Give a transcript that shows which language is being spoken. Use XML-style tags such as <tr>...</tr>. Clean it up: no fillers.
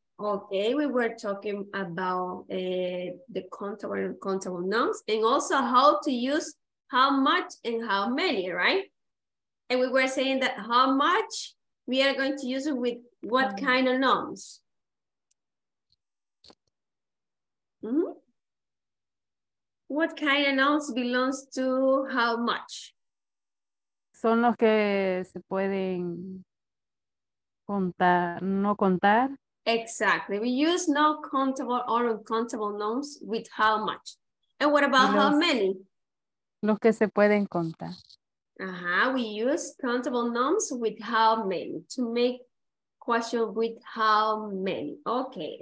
<en>Okay, we were talking about the countable and countable nouns and also how to use how much and how many, right? And we were saying that how much we are going to use it with what kind of nouns? Mm-hmm. What kind of nouns belongs to how much?</en> <es>Son los que se pueden contar, no contar.</es> <en>Exactly. We use no countable or uncountable nouns with how much. And what about los, how many?</en> <es>Los que se pueden contar. Uh-huh.</es> <en>We use countable nouns with how many to make question with how many. Okay.</en>